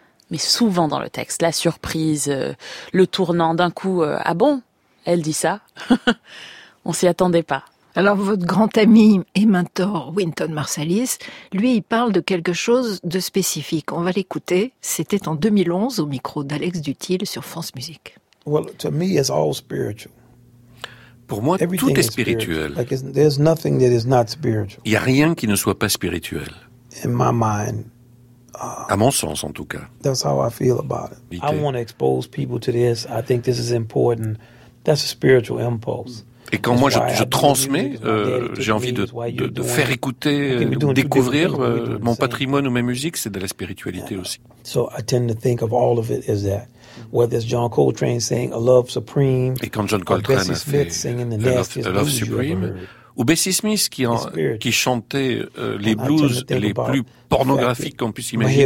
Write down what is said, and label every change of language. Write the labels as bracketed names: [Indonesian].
[French] Mais souvent dans le texte, la surprise, le tournant d'un coup, ah bon, elle dit ça. On s'y attendait pas. Alors votre grand ami et mentor, Wynton Marsalis, lui, il parle de quelque chose de spécifique. On va l'écouter. C'était en 2011 au micro d'Alex Dutil sur France Musique. [English] Well, to me, it's all spiritual. [French] Pour moi, tout est spirituel. [English] There's nothing that is not spiritual. [French] Il n'y a rien qui ne soit pas spirituel. [English] In my mind, [French] à mon sens, en tout cas. [English] That's how I feel about it. I want to expose people to this. I think this is important. That's a spiritual impulse. [French] Et quand moi je transmets, j'ai envie de faire écouter, découvrir mon patrimoine ou mes musiques, c'est de la spiritualité aussi. [English] So I tend to think of all of it as that. Whether it's John Coltrane saying a love supreme, [French] et quand John Coltrane a fait a love supreme, ou Bessie Smith qui chantait les blues les plus pornographiques qu'on puisse imaginer.